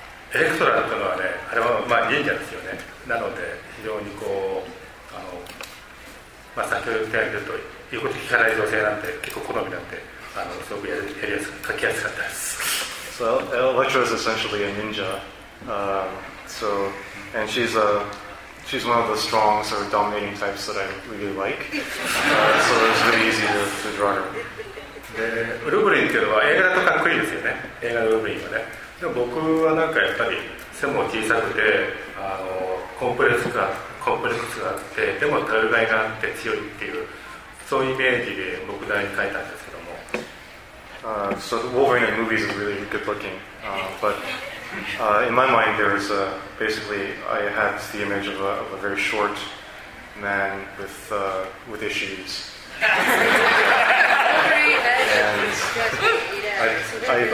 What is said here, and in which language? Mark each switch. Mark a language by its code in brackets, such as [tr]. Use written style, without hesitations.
[ja] エレクトラというのはね、あれは、まあ、忍者ですよね。なので、非常にこう、まあ、先ほど言ったように言うこと聞かない女性なんて、結構好みなんて、すごくやりやすく、書きやすかったです。 [en] So, Electro is essentially a ninja. So, and she's one of the strong, sort of dominating types that I really like. So it's really easy to draw her. [ja] で、ウルブリンっていうのは映画だとかっこいいですよね。映画のウルブリンはね。でも僕はなんかやっぱり背も小さくて、コンプレックスがあって、でも頼りがいがあって強いっていう、そういうイメージで僕なりに描いたんですけども。 [en] So Wolverine in movies is really good looking, but in my mind, there's basically I had the image of a very short man with issues. And